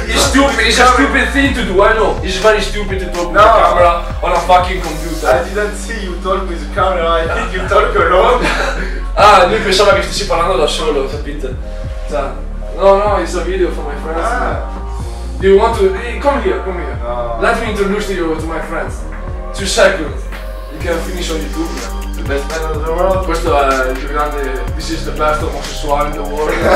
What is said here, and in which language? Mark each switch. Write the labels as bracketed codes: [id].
[en] I know, it's stupid thing to do, it's very stupid to talk with the camera on a fucking computer. I didn't see you talk with the camera, I think you talk alone. [it] Ah, lui pensava che stessi parlando da solo, capite? [en] No, it's a video for my friends. Do you want to, come here. No. Let me introduce you to my friends. 2 seconds, you can finish on YouTube. Yeah. Best man of the world. [it] Questo è il più grande. [en] This is the best homosexual in the world.